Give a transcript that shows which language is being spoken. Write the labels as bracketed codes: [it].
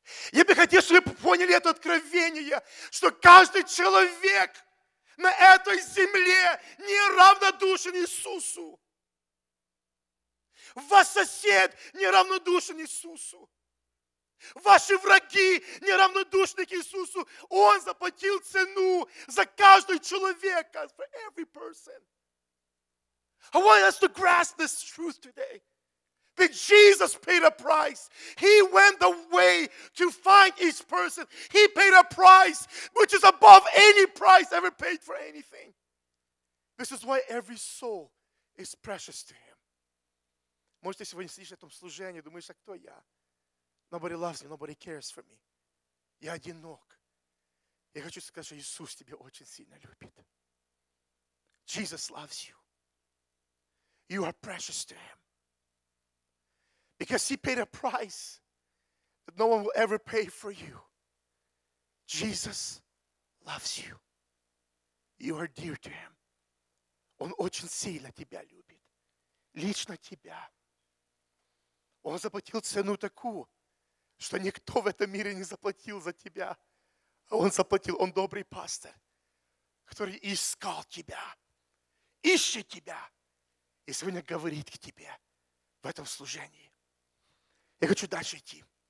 [ru] Я бы хотел, чтобы вы поняли это откровение, что каждый человек на этой земле не равнодушен Иисусу. Ваш сосед не равнодушен Иисусу. Ваши враги не равнодушны к Иисусу. Он заплатил цену за каждого человека. [en] For every person. I want us to grasp this truth today. That Jesus paid a price. He went the way to find each person. He paid a price which is above any price ever paid for anything. This is why every soul is precious to Him. [ru] Можете сегодня сидеть в этом служении, думаешь, а кто я? [en] Nobody loves me, nobody cares for me. [ru] Я одинок. Я хочу сказать, что Иисус тебя очень сильно любит. [en] Jesus loves you. You are precious to Him. Because He paid a price that no one will ever pay for you. Jesus loves you. You are dear to Him. [ru] Он очень сильно тебя любит. Лично тебя. Он заплатил цену такую, что никто в этом мире не заплатил за тебя. Он заплатил, он добрый пастор, который искал тебя, ищет тебя и сегодня говорит к тебе в этом служении. Я хочу дальше идти.